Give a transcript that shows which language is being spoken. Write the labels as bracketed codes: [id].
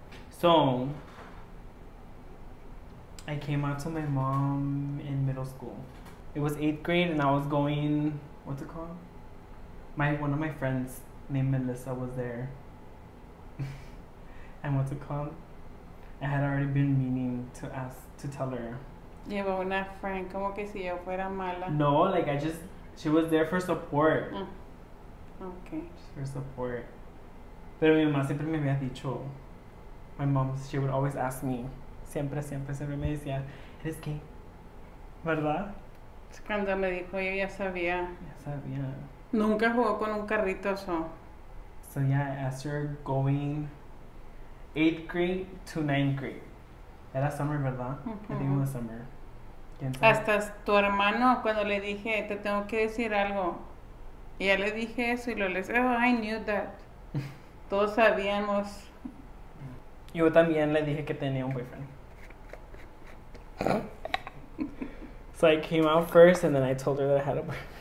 [en] So, I came out to my mom in middle school. It was 8th grade and I was going, what's it called? One of my friends named Melissa was there. And what's it called? I had already been meaning to ask, to tell her. [es] Lleva una friend, como que si yo fuera mala. [en] No, like I just, she was there for support. Mm. Okay. Just for support. [es] Pero mi mamá siempre me había dicho, [en] my mom, she would always ask me, [es] siempre me decía, eres gay, ¿verdad? Cuando me dijo, yo ya sabía. Ya sabía. Nunca jugó con un carrito, eso. [en] So yeah, as you're going 8th grade to 9th grade. [es] Era summer, ¿verdad? [en] Uh-huh. I think it was summer. [es] Hasta tu hermano, cuando le dije, te tengo que decir algo. Y ya le dije eso y lo le dije, [en] oh, I knew that. [es] Todos sabíamos. Yo también le dije que tenía un boyfriend. [en] So I came out first and then I told her that I had a boyfriend.